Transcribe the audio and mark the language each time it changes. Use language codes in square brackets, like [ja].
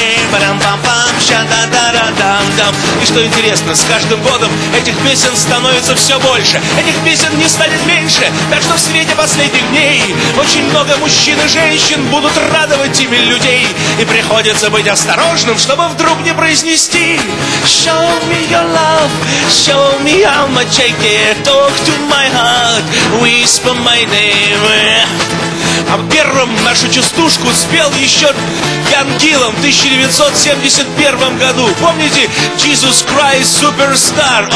[ru] Ба-дам-бам-бам, ша-да-да-да-дам-дам. И что интересно, с каждым годом этих песен становится все больше. Этих песен не станет меньше. Так что в свете последних дней очень много мужчин и женщин будут радовать ими людей. И приходится быть осторожным, чтобы вдруг не произнести [en] Show me your love, show me how much I care. Talk to my heart, whisper my name. [ru] А первым нашу частушку спел еще Ян Гиллан в 1971 году. Помните Jesus Christ Superstar?